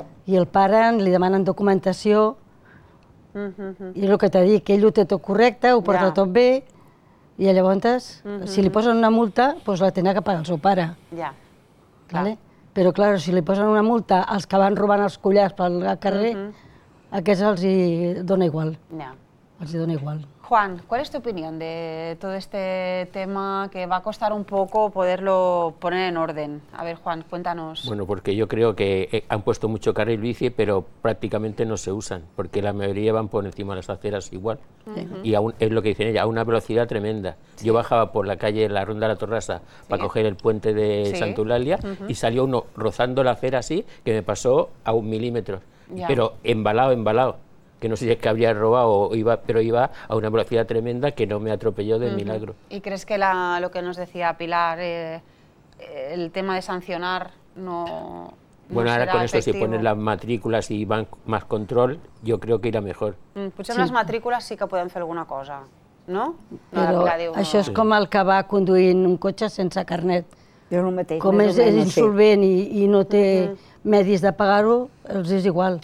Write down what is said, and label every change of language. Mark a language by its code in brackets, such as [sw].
[ca] I el pare li demanen documentació. Uh-huh. I és el que t'ha dit, que ell ho té tot correcte, ho porta, yeah, tot bé. I llavors, uh-huh, si li posen una multa, pues la tenen que pagar el seu pare. Ja. Yeah. Vale? Però, clar, si li posen una multa als que van robant els collars pel carrer, uh-huh, aquests els hi dona igual. Yeah. Els hi dona igual. [es] Juan, ¿cuál es tu opinión de todo este tema que va a costar un poco poderlo poner en orden? A ver, Juan, cuéntanos. Bueno, porque yo creo que han puesto mucho carril bici, pero prácticamente no se usan, porque la mayoría van por encima de las aceras igual. Uh-huh. Y aún es lo que dicen ella, a una velocidad tremenda. Sí. Yo bajaba por la calle la Ronda de la Torrasa, sí, para coger el puente de, sí, Santa Eulalia, uh-huh, y salió uno rozando la acera así, que me pasó a un milímetro, ya, pero embalado. Que no sé si es que habría robado o iba, pero iba a una velocidad tremenda que no me atropelló de, uh-huh, milagro. ¿Y crees que lo que nos decía Pilar, el tema de sancionar no bueno, no ahora con efectivo? Esto, si ponen las matrículas y van más control, yo creo que irá mejor. [ca] Potser sí, [es] las matrículas sí que pueden hacer alguna cosa, ¿no? Pero no, [ca] Pilar, això és, sí, com el que va conduint un cotxe sense carnet. Jo no mateix. Com és insolvent i no té... Uh-huh. Medis de pagar-ho, els és igual.